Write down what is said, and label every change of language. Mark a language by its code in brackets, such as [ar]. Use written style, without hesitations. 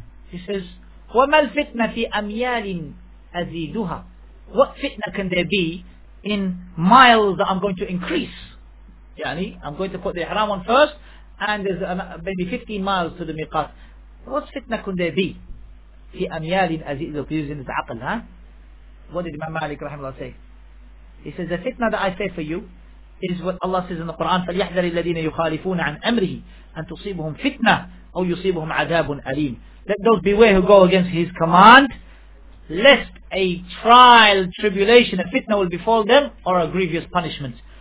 [en] He says, [ar] وَمَا الْفِتْنَةِ فِي أَمْيَالٍ أَزِيدُهَا, [en] what fitna can there be in miles that I'm going to increase? Yani, I'm going to put the ihram on first, and there's maybe 15 miles to the miqat. What fitna could there be? [ar] في أميال أزيد [en] using his [ar] عقل, huh? [en] What did Imam Malik rahimahullah say? He says, the fitna that I say for you is what Allah says in the Quran, [ar] فَلْيَحْذَرِ الَّذِينَ يُخَالِفُونَ عَنْ أَمْرِهِ أَنْ تُصِيبُهُمْ فِتْنَةً أَوْ يُصِيبُهُمْ عَذَابٌ أَلِيمٌ, [en] let those beware who go against his command, lest a trial, tribulation, a fitna will befall them, or a grievous punishment.